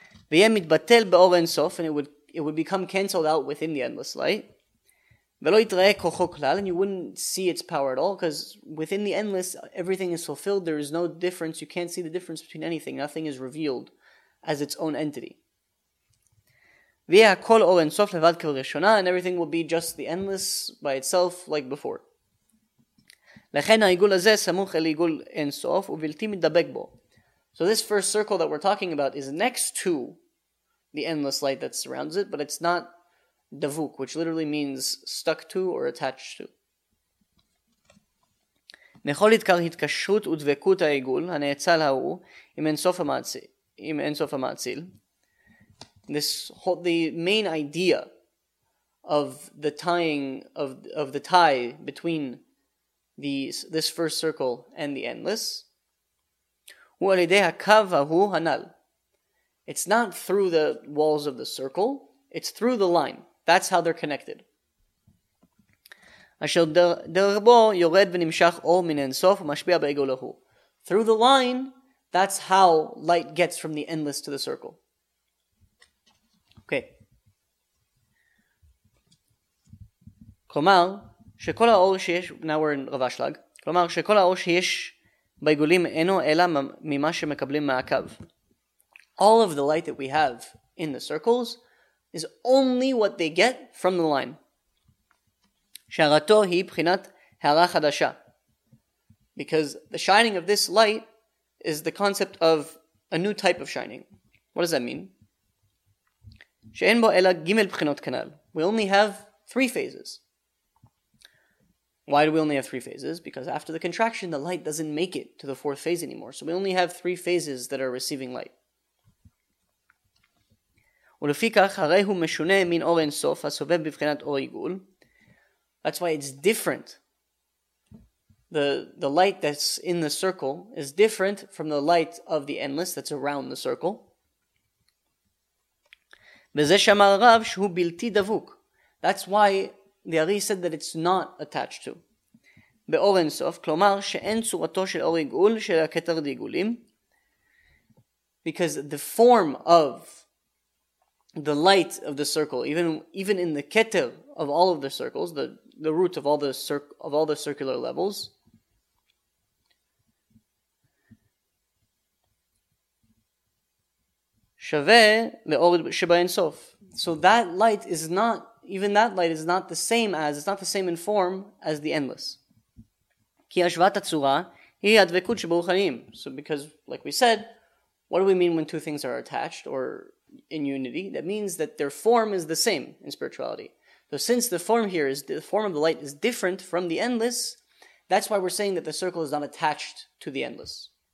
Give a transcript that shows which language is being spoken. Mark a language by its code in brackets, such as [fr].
[he] ויהיה מתבטל באור אינסוף, [en] and it would become canceled out within the endless light, [he] ולא יתראה כוחו כלל, [en] and you wouldn't see its power at all, because within the endless, everything is fulfilled, there is no difference, you can't see the difference between anything, nothing is revealed as its own entity. [he] ויהיה הכל אור אינסוף לבד כבראשונה, [en] and everything will be just the endless by itself, like before. [he] לכן העיגול הזה סמוך אל עיגול אינסוף, ובלתי מתדבק בו. [en] So this first circle that we're talking about is next to the endless light that surrounds it, but it's not davuk, which literally means stuck to or attached to. [he] מכל התקר התקשרות ודבקות העיגול הנאצל ההוא עם אינסוף המעציל. [en] The main idea of the tying of the tie between this first circle and the endless, [he] הוא על ידי הקו ההוא הנל. [en] It's not through the walls of the circle, it's through the line. That's how they're connected. [he] אשר דרך בו יורד ונמשך אור מן אינסוף ומשפיע בעיגול ההוא. [en] Through the line, that's how light gets from the endless to the circle. Okay. [he] כלומר, שכל האור שיש, [en] now we're in [he] רב אשלג, כלומר, שכל האור שיש בעיגולים אינו אלא ממה שמקבלים מהקו. [en] All of the light that we have in the circles is only what they get from the line. [he] שהרתו היא בחינת הערה חדשה. [en] Because the shining of this light is the concept of a new type of shining. What does that mean? [he] שאין בו אלא גימל בחינות כנל. [en] We only have three phases. Why do we only have three phases? Because after the contraction, the light doesn't make it to the fourth phase anymore. So we only have three phases that are receiving light. [he] ולפיכך, הרי הוא משונה מן אור אינסוף, הסובב בבחינת אור עיגול. [en] That's why it's different. The light that's in the circle is different from the light of the endless that's around the circle. [he] וזה שאמר רב שהוא בלתי דבוק. [en] That's why the Ari said that it's not attached to. [he] באור אינסוף, כלומר שאין צורתו של אור עיגול של הכתר דעיגולים. [en] Because the form of the light of the circle, even in the keter of all of the circles, the root of all the circular levels, [he] שווה לאור שבאינסוף. [en] So that light is not, even that light is not the same as, it's not the same in form as the endless. [he] כי השוואת הצורה היא הדבקות שברוך חיים. [en] So because, like we said, what do we mean when two things are attached or in unity? That means that their form is the same in spirituality. So since the form here is, the form of the light is different from the endless, that's why we're saying that the circle is not attached to the endless.